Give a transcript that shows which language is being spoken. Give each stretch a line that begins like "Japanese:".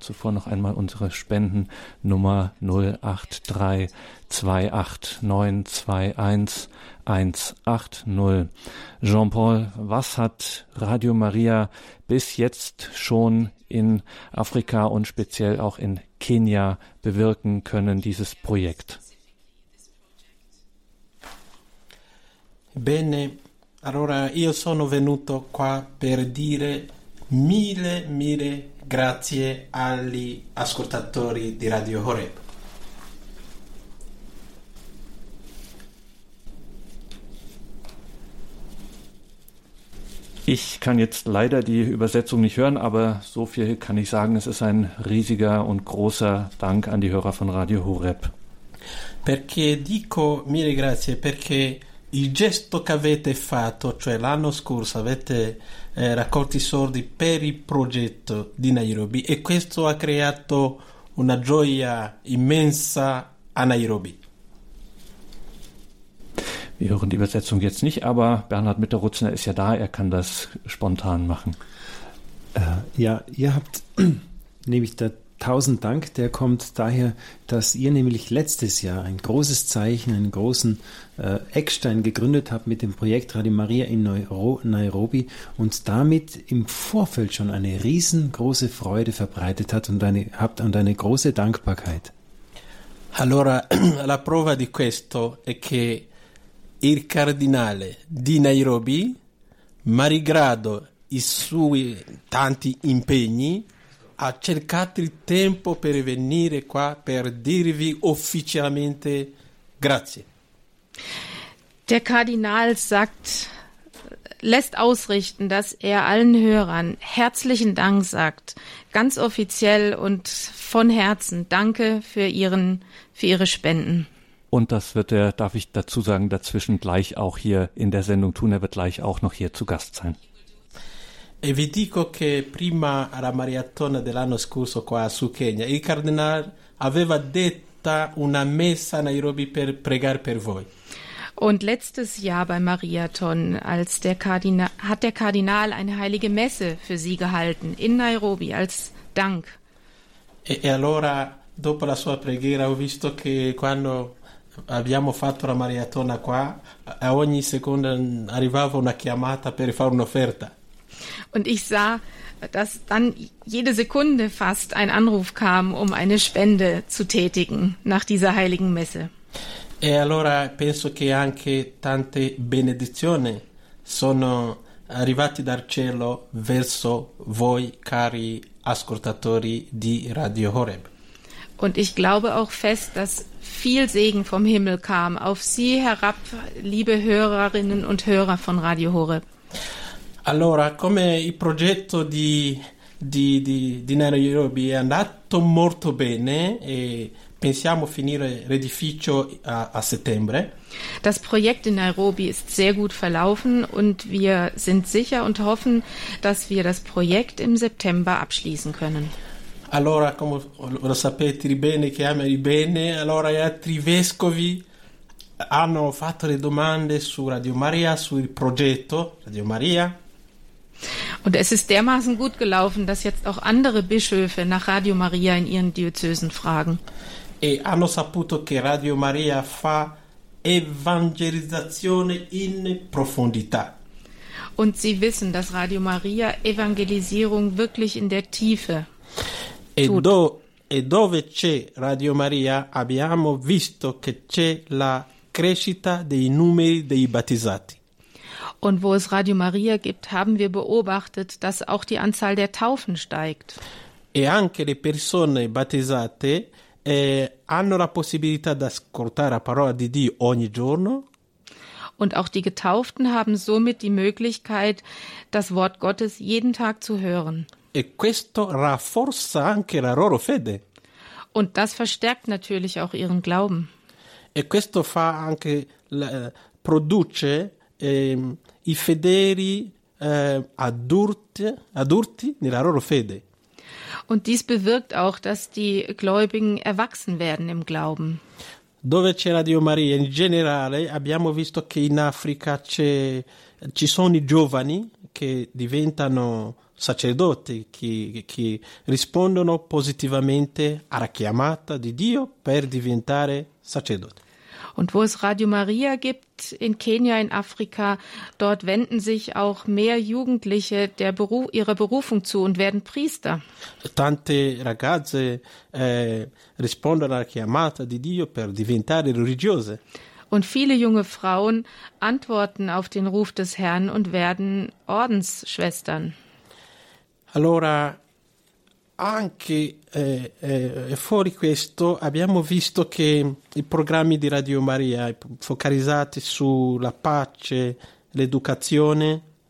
German: Zuvor noch einmal unsere Spendennummer 083 28 921 180. Jean-Paul, was hat Radio Maria bis jetzt schon in Afrika und speziell auch in Kenia bewirken können, dieses Projekt?
Italian: Bene, allora io sono venuto qua per dire mille, mille grazie agli ascoltatori di Radio Horeb.
German: Ich kann jetzt leider die Übersetzung nicht hören, aber so viel kann ich sagen. Es ist ein riesiger und großer Dank an die Hörer von Radio Horeb.
Italian: Perché dico mille grazie? Perché il gesto che avete fatto, cioè l'anno scorso avete raccolto i soldi per il progetto di Nairobi e questo ha creato una gioia immensa a Nairobi.
German: Wir hören die Übersetzung jetzt nicht, aber Bernhard Mitterrutzner ist ja da, er kann das spontan machen. Ja, ihr habt nämlich da tausend Dank, der kommt daher, dass ihr nämlich letztes Jahr ein großes Zeichen, einen großen Eckstein gegründet habt mit dem Projekt Radio Maria in Nairobi und damit im Vorfeld schon eine riesengroße Freude verbreitet hat und habt und eine große Dankbarkeit.
Italian: Allora, la prova di questo è che il cardinale di Nairobi, malgrado i suoi tanti impegni, ha cercato il tempo per venire qua per dirvi ufficialmente grazie.
German: Der Kardinal lässt ausrichten, dass er allen Hörern herzlichen Dank sagt, ganz offiziell und von Herzen. Danke für ihre Spenden. Und das wird er, darf ich dazu sagen, dazwischen gleich auch hier in der Sendung tun. Er wird gleich auch noch hier zu Gast sein.
Italian: E vi dico che prima alla maratona dell'anno scorso qua su Kenya, il cardinale aveva detta una messa a Nairobi per pregare per voi.
German: Und letztes Jahr beim Mariathon, als der Kardinal hat der Kardinal eine heilige Messe für Sie gehalten in Nairobi als Dank.
Italian: E allora dopo la sua preghiera ho visto che quando abbiamo fatto la maratona qua, a ogni seconda arrivava una chiamata per fare un'offerta.
German: Und ich sah, dass dann jede Sekunde fast ein Anruf kam, um eine Spende zu tätigen nach dieser heiligen Messe.
Italian: E allora penso che anche tante benedizioni sono arrivate dal cielo verso voi, cari ascoltatori di Radio Horeb.
German: Und ich glaube auch fest, dass viel Segen vom Himmel kam auf Sie herab, liebe Hörerinnen und Hörer von Radio Horeb.
Italian: Allora, come il progetto di Nairobi è andato molto bene e pensiamo finire l'edificio a settembre.
German: Das Projekt in Nairobi ist sehr gut verlaufen und wir sind sicher und hoffen, dass wir das Projekt im September abschließen können.
Italian: Allora, come lo sapete, i bene che ama i bene, allora gli altri vescovi hanno fatto le domande su Radio Maria, sul progetto Radio Maria.
German: Und es ist dermaßen gut gelaufen, dass jetzt auch andere Bischöfe nach Radio Maria in ihren Diözesen fragen.
Italian: E hanno saputo che Radio Maria fa evangelizzazione in profondità.
German: Und sie wissen, dass Radio Maria Evangelisierung wirklich in der Tiefe tut.
Italian: E dove c'è Radio Maria abbiamo visto che c'è la crescita dei numeri dei battezzati.
German: Und wo es Radio Maria gibt, haben wir beobachtet, dass auch die Anzahl der Taufen steigt.
Italian: E anche le persone battezzate hanno la possibilità di ascoltare la parola di Dio ogni giorno.
German: Und auch die Getauften haben somit die Möglichkeit, das Wort Gottes jeden Tag zu hören.
Italian: E questo rafforza anche la loro fede.
German: Und das verstärkt natürlich auch ihren Glauben.
Italian: E questo fa anche produce i fedeli adulti nella loro fede.
German: Und dies bewirkt auch, dass die Gläubigen erwachsen werden im Glauben.
Italian: Dove c'è Radio Maria? In generale abbiamo visto che in Africa ci sono i giovani che diventano sacerdoti, che rispondono positivamente alla chiamata di Dio per diventare sacerdoti.
German: Und wo es Radio Maria gibt, in Kenia, in Afrika, dort wenden sich auch mehr Jugendliche ihrer Berufung zu und werden Priester.
Italian: Tante ragazze rispondono alla chiamata di Dio per diventare religiose.
German: Und viele junge Frauen antworten auf den Ruf des Herrn und werden Ordensschwestern.
Italian: Allora, anche fuori questo abbiamo visto che i programmi di Radio Maria focalizzati sulla pace, l'educazione.